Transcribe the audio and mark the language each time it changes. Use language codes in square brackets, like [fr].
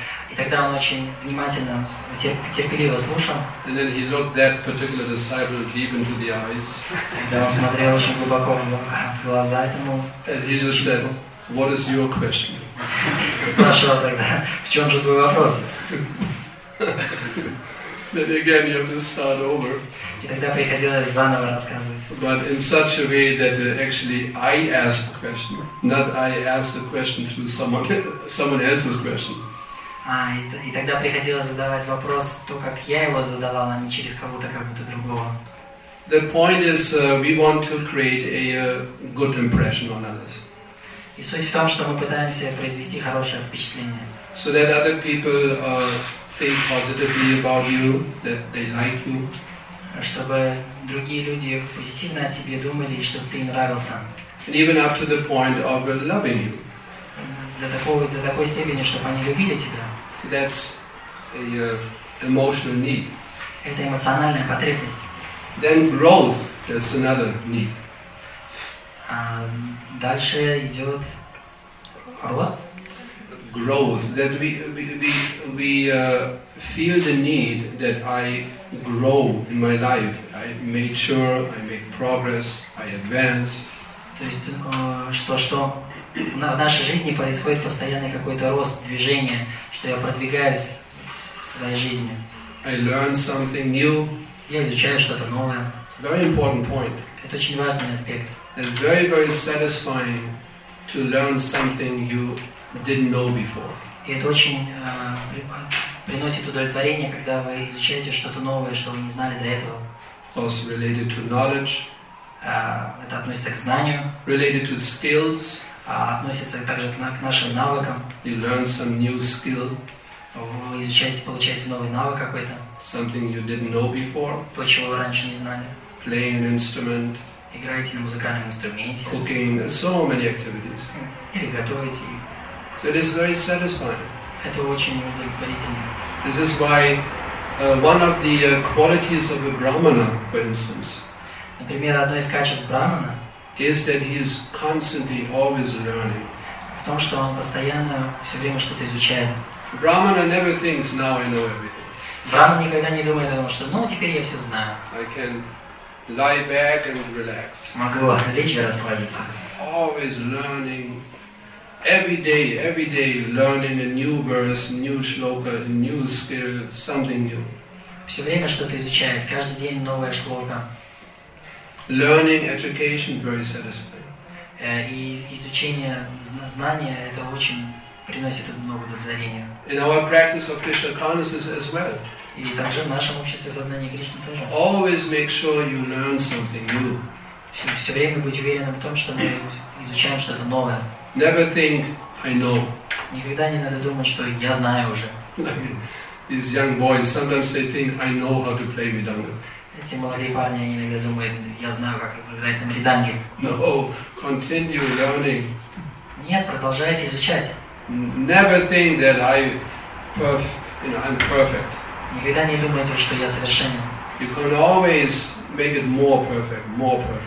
[ru] И тогда он очень внимательно, терпеливо слушал. [en] And then he looked that particular disciple deep into the eyes. [ru] Тогда он смотрел очень глубоко в глаза этому. [en] And he just said, "What is your question?" [ru] Спрашивал тогда, в чем же твой вопрос? [en] Then again, you have to start over. [ru] И тогда приходилось заново рассказывать. [en] But in such a way that actually I ask the question, not I ask the question through someone else's question. [ru] И тогда приходилось задавать вопрос то, как я его задавал, а не через кого-то, как будто другого. [en] The point is, we want to create a good impression on others. [ru] И суть в том, что мы пытаемся произвести хорошее впечатление. [en] So that other people think positively about you, that they like you. [ru] Чтобы другие люди позитивно о тебе думали и чтобы ты им нравился. [en] And even up to the point of loving you. [ru] До такой степени, чтобы они любили тебя. [en] That's a emotional need. [ru] Это эмоциональная потребность. [en] Then growth, that's another need. [ru] дальше идет рост. [en] Growth, that we feel the need that I grow in my life. I make sure I make progress, I advance. [ru] То есть что в нашей жизни происходит постоянный какой-то рост, движение, что я продвигаюсь в своей жизни. [en] I learn something new. [ru] Я изучаю что-то новое. [en] It's a very important point. [ru] Это очень важный аспект. [en] It's very, very satisfying to learn something you didn't know before. [ru] И это очень приносит удовлетворение, когда вы изучаете что-то новое, что вы не знали до этого. [en] Also related to knowledge. [ru] Это относится к знанию. [en] Related to skills. [ru] Относится также к нашим навыкам. [en] You learn some new skill. [ru] Вы изучаете, получаете новый навык какой-то. [en] Something you didn't know before. [ru] То, чего вы раньше не знали. [en] Playing an instrument. [ru] Играете на музыкальном инструменте. [en] Cooking. So many activities. [ru] Или готовите. [en] So it is very satisfying. [ru] Это очень удовлетворительно. [en] This is why one of the qualities of a brahmana, for instance. [ru] Например, одно из качеств брахмана. [en] Is that he is constantly always learning. [ru] В том, что он постоянно все время что-то изучает. [en] Brahmana never thinks now I know everything. [ru] Брахмана никогда не думает о том, что ну теперь я все знаю. [en] I can lie back and relax. [ru] Могу лечь и расслабиться. [en] Always learning. Every day, learning a new verse, new shloka, a new skill, something new. [ru] Все время что-то изучает. Каждый день новая шлока. [en] Learning, education, very satisfying. [ru] И изучение знания это очень приносит много удовлетворения. [en] In our practice of Krishna consciousness as well. [ru] И также в нашем обществе сознания Кришны тоже. [en] Always make sure you learn something new. [ru] Все время быть уверенным в том, что мы изучаем что-то новое. [en] Never think I know. [ru] Никогда не надо думать, что я знаю уже. [en] These young boys sometimes they think I know how to play mridanga. [ru] Эти молодые парни иногда думают, я знаю, как играть на мриданге. [en] No, continue learning. [ru] Нет, продолжайте изучать. [en] Never think that I'm perfect. [ru] Никогда не думайте, что я совершенен. [en] You can always make it more perfect.